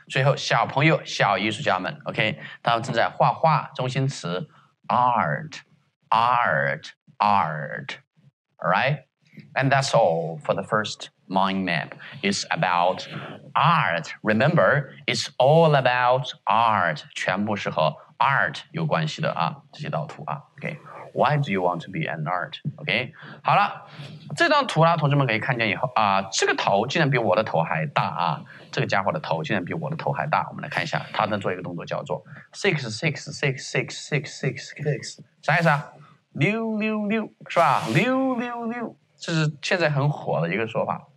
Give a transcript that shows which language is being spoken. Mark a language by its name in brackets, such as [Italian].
[Chinese] 最后，小朋友，小艺术家们 [English] ，OK， [Chinese] 他们正在画画，中心词 [English] ，art，all right，and that's all for the first mind map. It's about. Art, remember, it's all about art. [Chinese] 全部是和 art 有关系的啊，这些导图啊。 [English] Okay, why do you want to be an art? [Chinese] Okay, 好了，这张图啊，同志们可以看见以后啊，这个头竟然比我的头还大啊！这个家伙的头竟然比我的头还大。我们来看一下，他能做一个动作叫做 666666666， 啥意思啊？溜溜溜，是吧？溜溜溜，这是现在很火的一个说法。